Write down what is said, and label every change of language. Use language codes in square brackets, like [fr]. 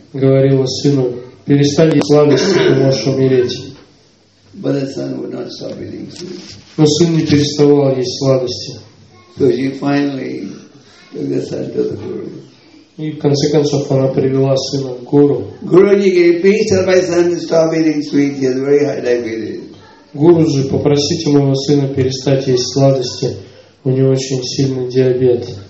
[ru] Говорила сыну, перестань есть сладости, ты можешь умереть. [en] But the son would not stop eating sweets. [ru] Но сын не переставал есть сладости. [en] So she finally took the son to the guru. [ru] И в конце концов она привела сына к гуру. [en] Guruji, can you please tell my son to stop eating sweets? He has very high diabetes. [ru] Гуруджи, попросите моего сына перестать есть сладости. У него очень сильный диабет.